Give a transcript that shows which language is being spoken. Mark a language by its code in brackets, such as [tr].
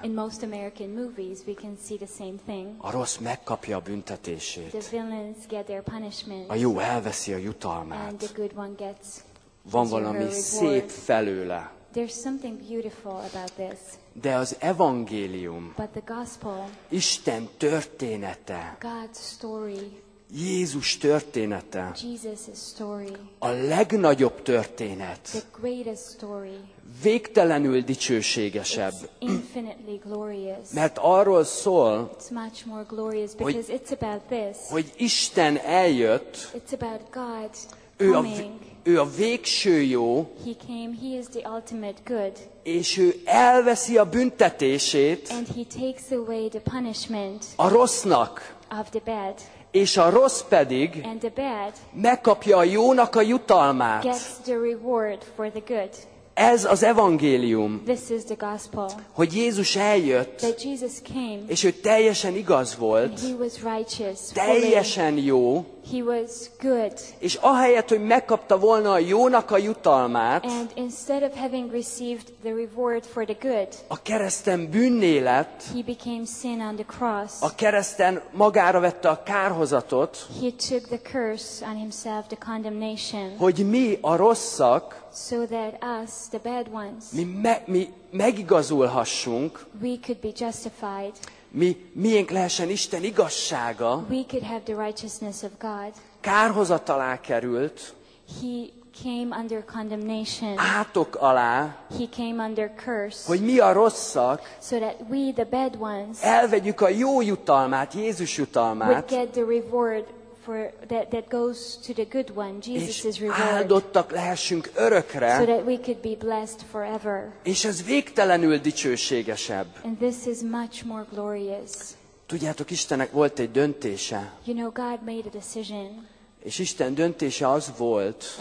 [en] In most American movies we can see the same thing. [hu] A rossz megkapja a büntetését. [en] The villains get their punishment. [hu] A jó elveszi a jutalmát. [en] And the good one gets. [hu] Van valami szép felőle. [en] There's something beautiful about this. [hu] De az evangélium, [en] but the gospel, [hu] Isten története, [en] God's story, [hu] Jézus története, [en] Jesus' story, [hu] a legnagyobb történet, [en] the greatest story, [hu] végtelenül dicsőségesebb. [en] It's infinitely glorious. [hu] Mert arról szól, [en] it's much more glorious because it's about this, [hu] hogy Isten eljött, [en] it's about God coming, [hu] ő a végső jó, [en] he came, he is the ultimate good, [hu] és ő elveszi a büntetését, [en] and he takes away the punishment, [hu] a rossznak, [en] of the bad, [hu] és a rossz pedig, [en] and the bad, [hu] megkapja a jónak a jutalmát, [en] gets the reward for the good. [hu] Ez az evangélium, [en] this is the gospel, [hu] hogy Jézus eljött, [en] that Jesus came, [hu] és ő teljesen igaz volt, [en] and he was righteous, [hu] teljesen jó, [en] he was good, [hu] és ahelyett, hogy megkapta volna a jónak a jutalmát, [en] and instead of having received the reward for the good, [hu] a kereszten bűnné lett, [en] he became sin on the cross, [hu] a kereszten magára vette a kárhozatot, [en] he took the curse on himself, the condemnation, [hu] hogy mi a rosszak, [en] so that us, the bad ones, [hu] mi megigazulhassunk, [en] we could be justified, [hu] miénk lehessen Isten igazsága, [en] we could have the righteousness of God, [hu] kárhozat alá került, [en] he came under condemnation, [hu] átok alá, [en] he came under curse, [hu] hogy mi a rosszak, [en] so that we, the bad ones, [hu] elvegyük a jó jutalmát, Jézus jutalmát, [en] would get the reward for that goes to the good one, Jesus' reward. [hu] Áldottak lehessünk örökre. [en] So that we could be blessed forever. [hu] És ez végtelenül dicsőségesebb. [en] And this is much more glorious. [hu] Tudjátok, Istennek volt egy döntése. [en] You know, God made a decision. [hu] És Isten döntése az volt,